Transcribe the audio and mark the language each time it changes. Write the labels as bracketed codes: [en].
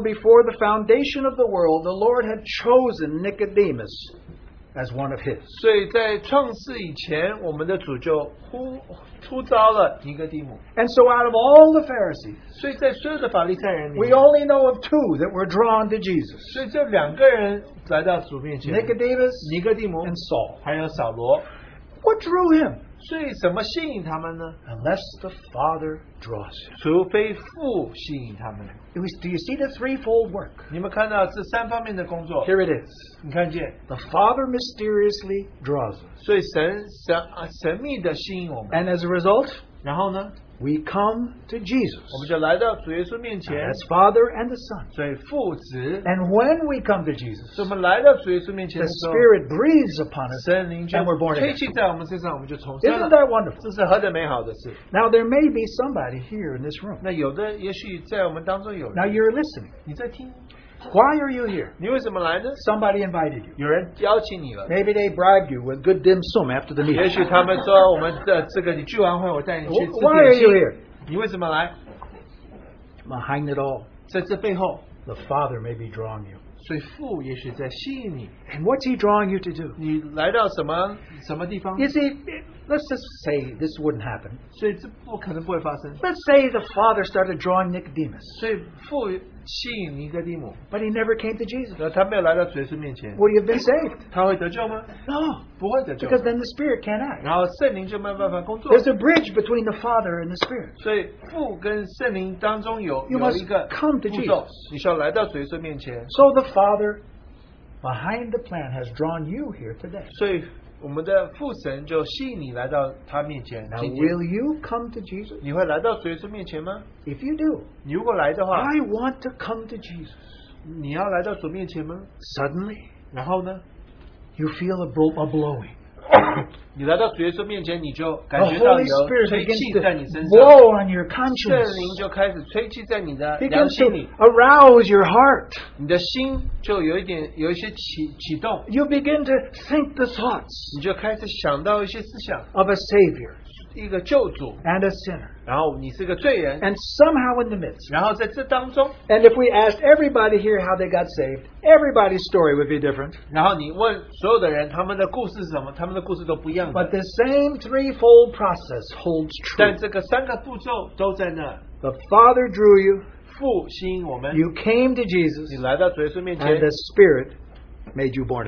[en] before the foundation of the world, the Lord had chosen Nicodemus as one of his. [zh] 所以在创世以前，我们的主就呼召了尼哥底母。And [en] so out of all the Pharisees, [zh] 所以在所有的法利赛人里面, [en] we only know of two that were drawn to Jesus. [zh] 所以这两个人来到主面前, [en] Nicodemus, [zh] 尼哥底母, [en] and Saul, [zh] 还有扫罗。 [en] What drew him? [zh] 所以怎么吸引他们呢? [en] Unless the Father draws him. [zh] 除非父吸引他们。 [en] Do you see the threefold work? [zh] 你们看到这三方面的工作? [en] Here it is. [zh] 你看见? [en] The Father mysteriously draws us. [zh] 所以神秘地吸引我们。 [en] And as a result, [zh] 然后呢? [en] We come to Jesus. [zh] 我们就来到主耶稣面前, [en] as Father and the Son. [zh] 所以父子, [en] and when we come to Jesus, [zh] 所以我们来到主耶稣面前的时候, [en] the Spirit breathes upon us, [zh] 圣灵就, [en] and we're born again. [zh] 吹气在我们身上, [en] isn't that wonderful? [zh] 这是何等美好的事? [en] Now there may be somebody here in this room. [zh] 那有的也许在我们当中有人, [en] now you're listening. [zh] 你在听。 [en] Why are you here? [zh] 你为什么来呢? [en] Somebody invited you. [zh] 有人邀请你了。 [en] Maybe they bribed you with good dim sum after the meal. [zh] 也许他们说我们的这个你聚完会我带你去吃点心。 [en] Why are you here? [zh] 你为什么来? [en] Behind it all, [zh] 在这背后, [en] the Father may be drawing you. [zh] 所以父也许在吸引你。 [en] And what's he drawing you to do? [zh] 你来到什么地方? [en] Is he, let's just say this wouldn't happen. [zh] 所以这不可能不会发生。 [en] Let's say the Father started drawing Nicodemus. [zh] 所以父, [en] but he never came to Jesus. Would he have been saved? [zh] 他会得救吗? [en] No. [zh] 不会得救, [en] because then the Spirit can't act. [zh] 然后圣灵就没办法工作。 [en] There's a bridge between the Father and the Spirit. [zh] 所以父跟圣灵当中有, [en] you must come to Jesus. [zh] 你需要来到主耶稣面前。 [en] So the Father behind the plan has drawn you here today. [zh] 我们的父神就吸引你来到他面前。 [en] Now, will you come to Jesus? [zh] 你会来到主耶稣面前吗? [en] If you do, [zh] 你如果来的话, [en] I want to come to Jesus. [zh] 你要来到主面前吗? [en] Suddenly, [zh] 然后呢? [en] You feel a blowing. [zh] 你来到主耶稣面前，你就感觉到有吹气在你身上。 [en] Blow on your conscience. [zh] 圣灵就开始吹气在你的良心里。 [en] Begins to arouse your heart. [zh] 你的心就有一点有一些启动。 [en] You begin to think the thoughts. [zh] 你就开始想到一些思想。 [en] Of a savior. [zh] 一个救主。 [en] And a sinner. [zh] 然后你是个罪人。 [en] And somehow in the midst. [zh] 然后在这当中。 [en] And if we asked everybody here how they got saved. Everybody's story would be different. [zh] 然后你问所有的人，他们的故事是什么？他们的故事都不一样的。 [en] But the same threefold process holds true. [zh] 但这个三个步骤都在那。 [en] The Father drew you. [zh] 父吸引我们。 [en] You came to Jesus. [zh] 你来到主耶稣面前。 [en] And the Spirit made you born again.